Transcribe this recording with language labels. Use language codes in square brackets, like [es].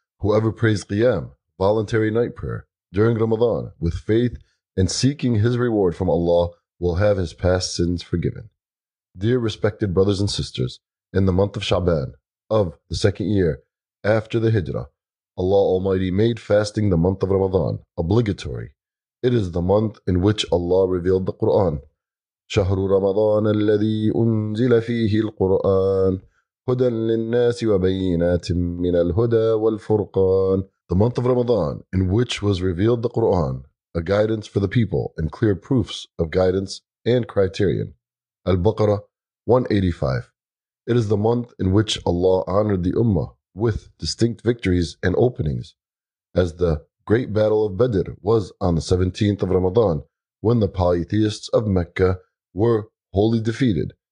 [en] Whoever prays Qiyam, voluntary night prayer, during Ramadan with faith and seeking his reward from Allah will have his past sins forgiven. Dear respected brothers and sisters, in the month of Sha'ban of the second year after the Hijrah, Allah Almighty made fasting the month of Ramadan obligatory. It is the month in which Allah revealed the Quran. [ar] شهر رمضان الذي أنزل فيه القرآن هدى للناس وبينات من الهدى والفرقان. [en] The month of Ramadan in which was revealed the Quran, a guidance for the people and clear proofs of guidance and criterion. Al-Baqarah 185. It is the month in which Allah honored the Ummah with distinct victories and openings, as the great battle of Badr was on the 17th of Ramadan, when the polytheists of Mecca were wholly defeated.